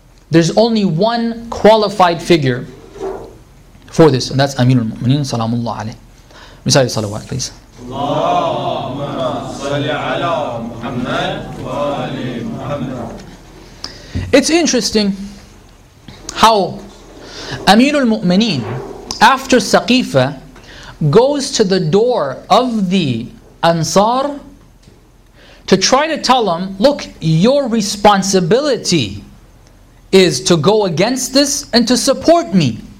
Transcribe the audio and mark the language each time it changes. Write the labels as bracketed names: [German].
[English] There's only one qualified figure for this, and that's Amir al-Mu'mineen, salamullah alayhi. Recite the salawat, please. [Arabic] اللهم صل على محمد وآل محمد. [English] It's interesting how Amir al-Mu'mineen, after Saqifa, goes to the door of the Ansar to try to tell him, look, your responsibility is to go against this and to support me.